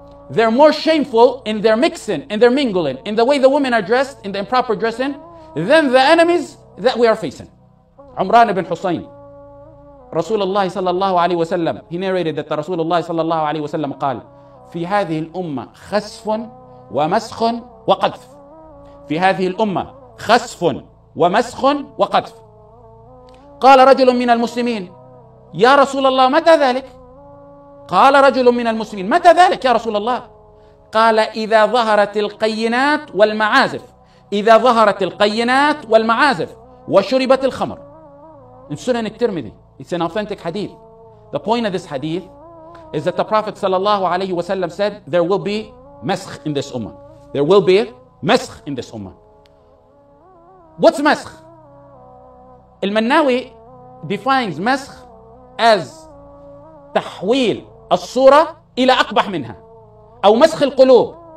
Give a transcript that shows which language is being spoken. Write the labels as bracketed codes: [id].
[en] They're more shameful in their mixing, in their mingling, in the way the women are dressed, in the improper dressing, than the enemies that we are facing. Umran ibn Husayn, Rasulullah sallallahu alayhi wa sallam, he narrated that the Rasulullah sallallahu alayhi wa sallam [ar] قال, في هذه الأمة خسف ومسخ وقذف. في هذه الأمة خسف ومسخ وقذف. قال رجل من المسلمين يا رسول الله متى ذلك؟ قال رجل من المسلمين متى ذلك يا رسول الله؟ قال إذا ظهرت القينات والمعازف. إذا ظهرت القينات والمعازف وشربت الخمر. [en] In Sunan al-Tirmidhi, it's an authentic hadith. The point of this hadith is that the Prophet sallallahu alayhi wa sallam said there will be masakh in this ummah. There will be masakh in this ummah. What's masakh? Al-Mannawi defines masakh as [ar] tahwil as-surah ila aqbah minha. Aw masakh al-qulub.